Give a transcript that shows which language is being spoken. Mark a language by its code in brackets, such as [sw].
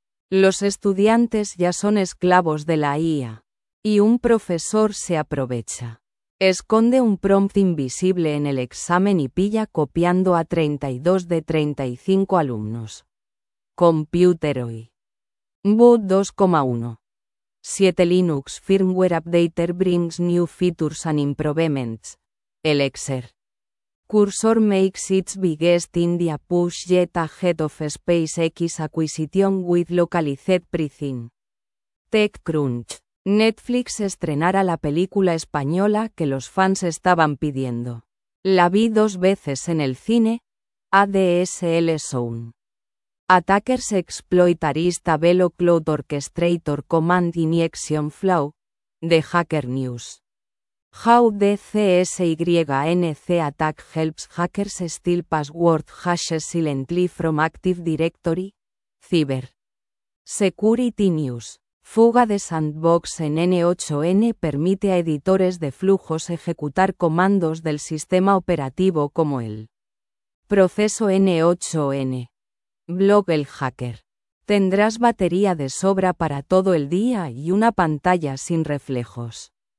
[es] Los estudiantes ya son esclavos de la IA. Y un profesor se aprovecha. Esconde un prompt invisible en el examen y pilla copiando a 32 de 35 alumnos. Computer Hoy. Boot 2.1. [en] 7 Linux Firmware Updater brings new features and improvements. Elixir. Cursor makes its biggest India push yet ahead of SpaceX acquisition with localized pricing. TechCrunch. [es] Netflix estrenará la película española que los fans estaban pidiendo. La vi dos veces en el cine. ADSL Zone. [en] Attackers exploit Arista Velo Cloud Orchestrator Command Injection Flow. The Hacker News. How the CSYNC attack helps hackers steal password hashes silently from Active Directory. Cyber. Security News. [es] Fuga de sandbox en N8N permite a editores de flujos ejecutar comandos del sistema operativo como el proceso N8N. Blog El Hacker. Tendrás batería de sobra para todo el día y una pantalla sin reflejos.